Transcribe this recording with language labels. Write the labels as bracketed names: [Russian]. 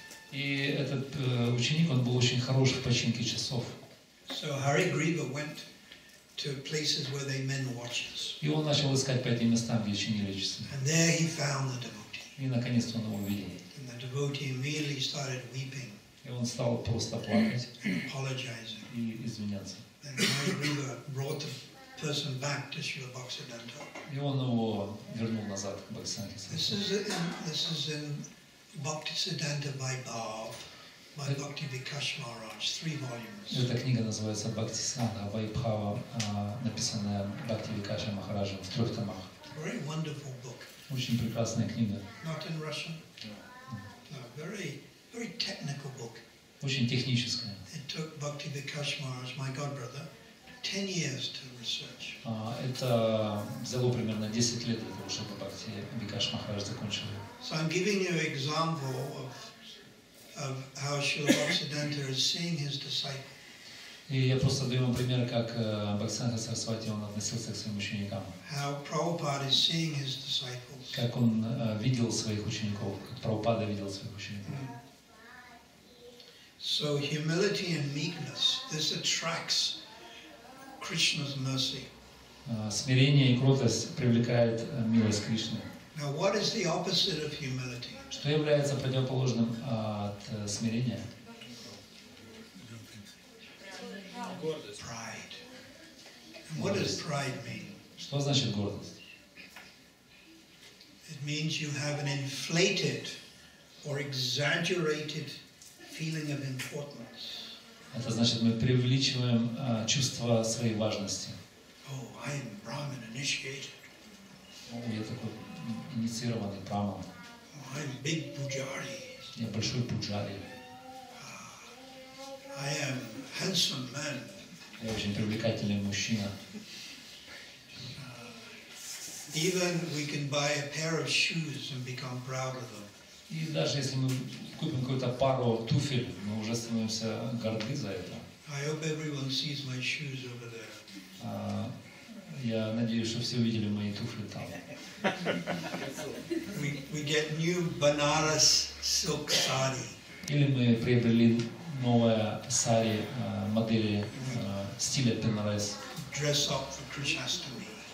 [Russian] И этот ученик, он был очень хорош в починке часов. [English] So Hari Griva went to places where they mend watches. [Russian] И он начал искать по этим местам, где чинили часы. [English] And there he found the devotee. [Russian] И наконец-то он его увидел. [English] And the devotee immediately started weeping. [Russian] И он стал просто плакать. [English] And apologizing. [Russian] И извиняться. [English] Then Hari Griva brought the person back to Srila Bhaktisiddhanta. [Russian] И он его вернул назад к Бхактисиддханте. [English] This is in Bhaktisiddhanta Vaibhav by Bhakti Vikash Maharaj, 3 volumes. [Russian] Эта книга называется Бхактисиддханта Вайбхава, написанная Бхакти Викашем Махараджем в 3 томах. [English] Very wonderful book. [Russian] Очень прекрасная книга. [English] Not in Russian. No. Very technical book. [Russian] Очень техническая. [English] It took Bhakti Vikash Maharaj, my godbrother, 10 years to research. [Russian] Это взяло примерно 10 лет для того, чтобы Бхакти Викаш Махарадж закончил. [English] So I'm giving you an example of how Srila Bhaktisiddhanta is seeing his disciple. [Russian] И я просто даю вам пример, как Бхактисиддханта Сарасвати он относился к своим ученикам. [English] How Prabhupada is seeing his disciples. [Russian] Как он видел своих учеников, как Прабхупада видел своих учеников. [English] So humility and meekness, this attracts Krishna's mercy. [Russian] Смирение и кротость привлекает милость Кришны. [English] Now what is the opposite of humility? [Russian] Что является противоположным от смирения? Гордость. [English] Pride. And what does pride mean? [Russian] Что значит гордость? [English] It means you have an inflated or exaggerated feeling of importance. [Russian] Это значит, мы преувеличиваем чувство своей важности. [English] Oh, I am Brahmin initiated. [Russian] Я такой инициированный Брахман. [English] Oh, I am big pujari. [Russian] Я большой пуджари. [English] I am handsome man. [Russian] Я очень привлекательный мужчина. [English] Even we can buy a pair of shoes and become proud of them. [Russian] И даже если мы купим какую-то пару туфель, мы уже становимся горды за это. [English] I hope everyone sees my shoes over there. [Russian] Я надеюсь, что все увидели мои туфли там. [English] We get new Banaras silk sari. [Russian] Или мы приобрели новое сари модели стиля Банарас. [English] Dress up for Krishnastami.